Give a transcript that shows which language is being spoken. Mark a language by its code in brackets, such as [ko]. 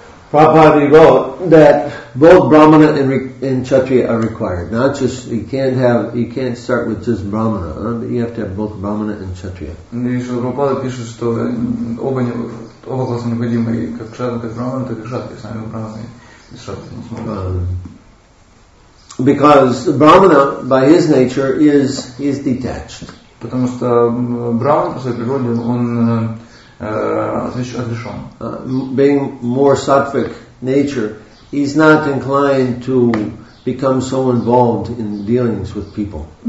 [en] Prabhupada wrote that both Brahmana and Kshatriya are required. Not just, you can't start with just Brahmana. You have to have both Brahmana and Kshatriya. [ru] Prabhupada пишет, что оба класса необходимы, как Кшатра, так Брахмана, так и Кшатра, сами Брахманы и Кшатра не смогут. [en] Because Brahmana, by his nature, is detached. [ru] Потому что Брахмана, по своей природе, он отрешен. [en] Being more sattvic nature, he's not inclined to become so involved in dealings with people.